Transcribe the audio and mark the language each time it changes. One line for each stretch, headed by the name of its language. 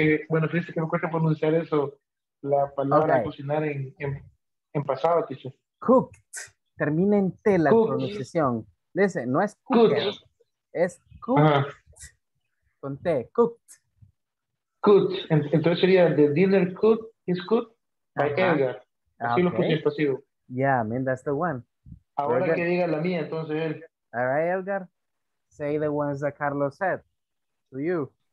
Spanish: Bueno, fíjese que me cuesta pronunciar eso. La palabra okay. Cocinar en pasado, teacher. Cooked. Termina en T la cook. Pronunciación. Dice, no es cooked. Es cooked. Ajá. Con T. Cooked. Cooked. Entonces sería
English: the dinner cooked is cooked by
Spanish: ajá. Edgar. Así okay. Lo puse en pasivo.
English: Yeah, man, that's the one.
Spanish: Ahora Edgar. Que diga la mía, entonces él.
English: All right, Edgar. Say the ones that Carlos said to you.